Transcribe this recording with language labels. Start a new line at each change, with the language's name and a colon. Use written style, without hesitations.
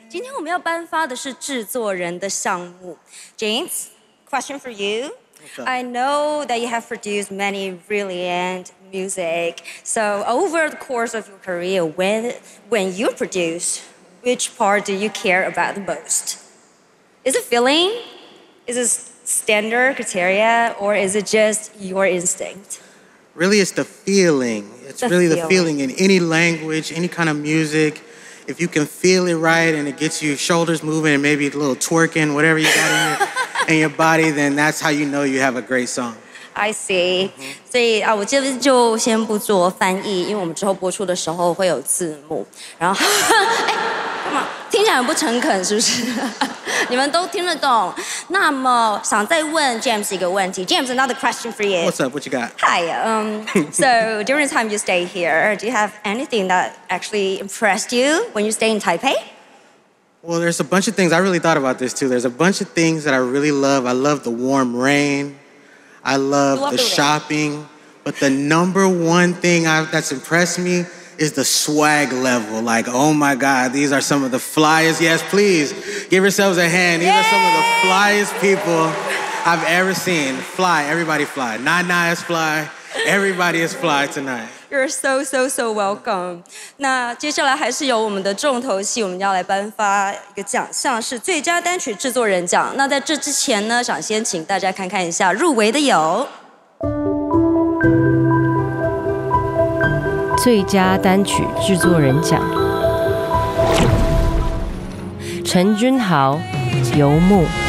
Chinese: 今天我们要颁发的是制作人的项目。
English: James, question for you. I know that you have produced many brilliant music. So over the course of your career, when you produce, which part do you care about the most? Is it feeling? Is it standard criteria? Or is it just your instinct? Really, it's the feeling. It's the really feeling. The feeling in any language, any kind of music. If you can feel it right and it gets your shoulders moving and maybe a little twerking, whatever you got in your body, then that's how you know you have a great song. I see.
Chinese: 所以啊，我今天就先不做翻译，因为我们之后播出的时候会有字幕。然后，干嘛？听起来很不诚恳，是不是？你们都听得懂。那么想再问 James 一个问题。
English: James, another question for you. What's up? What you got? Hi. So during the time you stay here, do you have anything that actually impressed you when you stay in Taipei? Well, there's a bunch of things. I really thought about this too. There's a bunch of things that I really love. I love the warm rain. I love the shopping. But the number one thing that's impressed me is the swag level. Like, oh my God, these are some of the flyest. Yes, please give yourselves a hand. These are some of the flyest people I've ever seen. Fly, everybody fly. Nana is fly. Everybody is fly tonight. You're so, so, so welcome.
Chinese: 那接下来还是由我们的重头戏，我们要来颁发一个奖项，是最佳单曲制作人奖。那在这之前呢，想先请大家看看一下入围的有最佳单曲制作人奖，陈君豪，游牧。